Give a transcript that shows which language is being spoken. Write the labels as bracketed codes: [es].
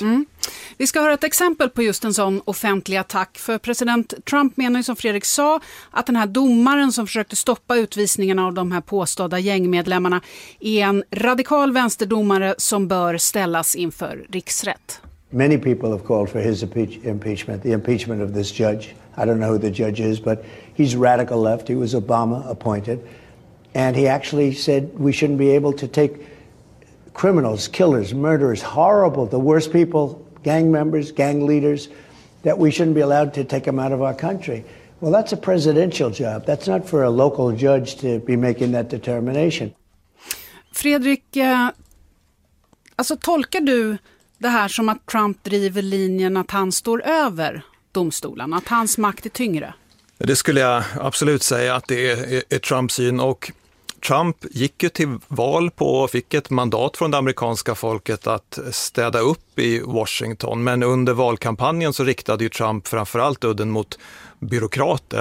[sv] Mm. Vi ska höra ett exempel på just en sån offentlig attack, för president Trump menar ju, som Fredrik sa, att den här domaren som försökte stoppa utvisningarna av de här påstådda gängmedlemmarna är en radikal vänsterdomare som bör ställas inför riksrätt. [en] Many people have called for his impeachment, the impeachment of this judge. I don't know who the judge is, but he's radical left. He was Obama appointed. And he actually said we shouldn't be able to take criminals, killers, murderers, horrible, the worst people, gang members, gang leaders, that we shouldn't be allowed to take them out of our country. Well, that's a presidential job. That's not for a local judge to be making that determination. [sv] Fredrik, alltså tolkar du det här som att Trump driver linjen att han står över domstolarna, att hans makt är tyngre? Det skulle jag absolut säga att det är Trumps syn, och Trump gick ju till val på och fick ett mandat från det amerikanska folket att städa upp i Washington, men under valkampanjen så riktade ju Trump framförallt udden mot byråkrater.